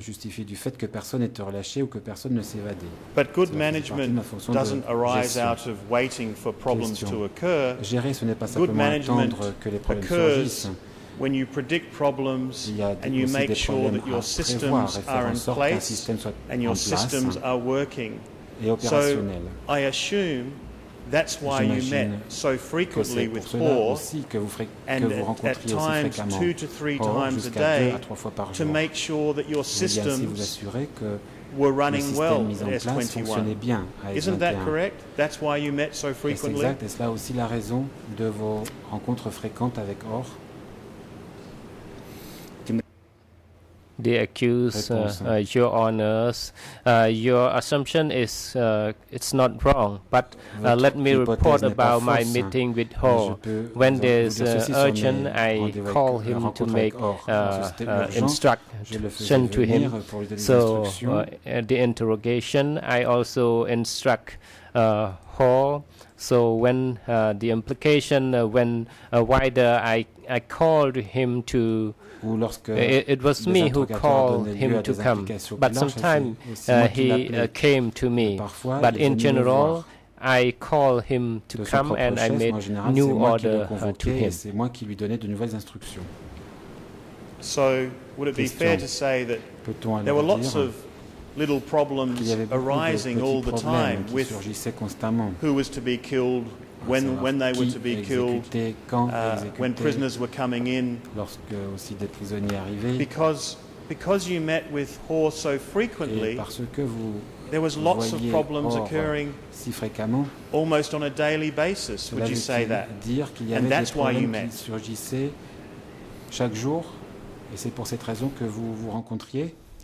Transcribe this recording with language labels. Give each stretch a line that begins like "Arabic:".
French: Justifie du fait que personne n'est relâché ou que personne ne s'évade.
English: But good management doesn't arise out of waiting for problems to occur.
French: Gérer, ce n'est pas simplement attendre que les problèmes surgissent.
English: When you predict problems and you make sure that your systems are in place and your systems are working. So I assume that's why you met so frequently with Hoare and at times 2 to 3 times a day to make sure that your systems were running well at S21. Isn't that correct? That's why you met so frequently?
French: Est-ce là aussi la raison de vos rencontres fréquentes avec Hoare?
English: The accused, your honors, your assumption is it's not wrong, but let me report about my meeting with Hoare. When there's urgent, I call him to make instruction to him. So the interrogation, I also instruct Hoare. So when the implication, when wider, I called him to. It was me who called him to come, but sometimes he came to me. But in general, I call him to come and I made new order to him.
French: C'est moi qui lui donnais de nouvelles instructions.
English: So would it be fair to say that there were lots of little problems arising all the time with who was to be killed, when they were to be killed, when prisoners were coming in,
French: lorsque aussi des prisonniers arrivaient.
English: Because you met with Hoare so frequently, there was lots of problems occurring
French: si fréquemment,
English: almost on a daily basis, would you say that?
French: Dire qu'il y avait
English: and that's
French: des
English: why
French: problèmes
English: you met.
French: Qui surgissaient chaque jour, et c'est pour cette raison que vous vous rencontriez.